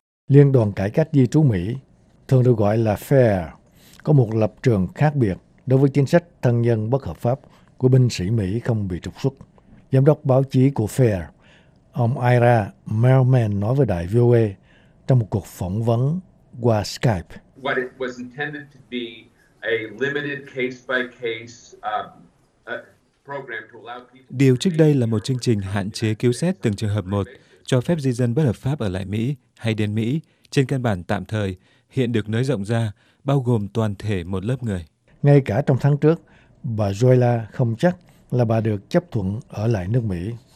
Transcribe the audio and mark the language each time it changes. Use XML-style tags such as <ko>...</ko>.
<vi>Liên đoàn cải cách di trú Mỹ, thường được gọi là FAIR, có một lập trường khác biệt đối với chính sách thân nhân bất hợp pháp của binh sĩ Mỹ không bị trục xuất. Giám đốc báo chí của FAIR, ông Ira Mailman, nói với đài VOA trong một cuộc phỏng vấn qua Skype:</vi> <en>What it was intended to be a limited case-by-case program to allow people...</en> <vi>Điều trước đây là một chương trình hạn chế cứu xét từng trường hợp một, cho phép di dân bất hợp pháp ở lại Mỹ hay đến Mỹ trên căn bản tạm thời, hiện được nới rộng ra, bao gồm toàn thể một lớp người. Ngay cả trong tháng trước, bà Joyla không chắc là bà được chấp thuận ở lại nước Mỹ.</vi>